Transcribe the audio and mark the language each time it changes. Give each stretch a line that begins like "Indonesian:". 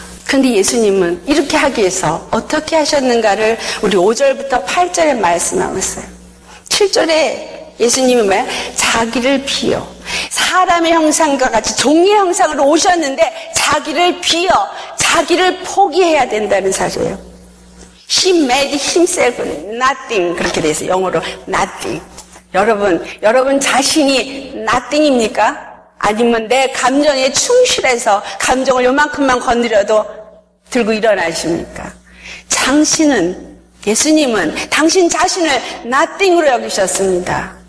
Korean: 그런데 예수님은 이렇게 하기 위해서 어떻게 하셨는가를 우리 5절부터 8절에 말씀하셨어요. 7절에 예수님은 뭐야? 자기를 비어 사람의 형상과 같이 종의 형상으로 오셨는데 자기를 비어 자기를 포기해야 된다는 사실이에요.
English: He made himself nothing.
Korean: 그렇게 돼 있어요. 영어로 nothing. 여러분 자신이 nothing입니까? 아니면 내 감정에 충실해서 감정을 요만큼만 건드려도 들고 일어나십니까? 당신은, 예수님은 당신 자신을 nothing으로 여기셨습니다.